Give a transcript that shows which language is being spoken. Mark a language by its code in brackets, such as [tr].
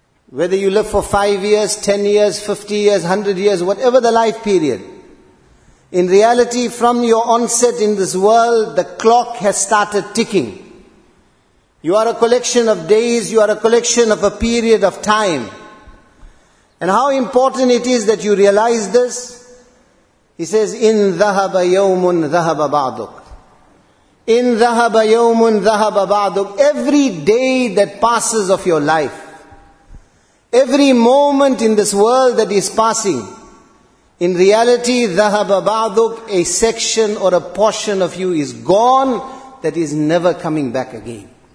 [en] Whether you live for 5 years, 10 years, 50 years, 100 years, whatever the life period. In reality, from your onset in this world, the clock has started ticking. You are a collection of days, you are a collection of a period of time. And how important it is that you realize this. He says, in [ar] ذَهَبَ يَوْمٌ ذَهَبَ بَعْضُكَ إِنْ ذَهَبَ يَوْمٌ ذَهَبَ بَعْضُكَ. [en] Every day that passes of your life, every moment in this world that is passing, in reality, [ar] ذَهَبَ بَعْضُكَ, [en] a section or a portion of you is gone, that is never coming back again.